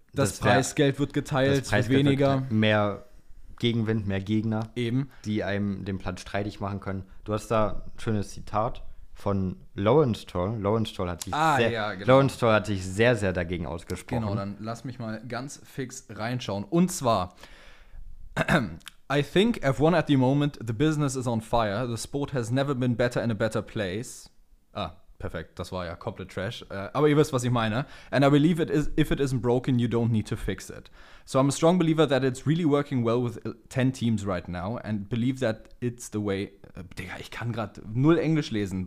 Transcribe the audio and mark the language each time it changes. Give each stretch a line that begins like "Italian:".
German: das Preisgeld wird geteilt, viel weniger. Mehr Gegenwind, mehr Gegner, eben, die einem den Platz streitig machen können. Du hast da ein schönes Zitat von Lowenthal. Lowenthal Stoll hat sich sehr, sehr dagegen ausgesprochen. Genau, dann lass mich mal ganz fix reinschauen. Und zwar
English: I think F1 at the moment, the business is on fire. The sport has never been better in a better place.
German: Ah, perfekt. Das war ja komplett Trash. Aber ihr wisst, was ich meine.
English: And I believe if it isn't broken, you don't need to fix it. So I'm a strong believer that it's really working well with 10 teams right now and believe that it's the way...
German: Digga, ich kann gerade null Englisch lesen.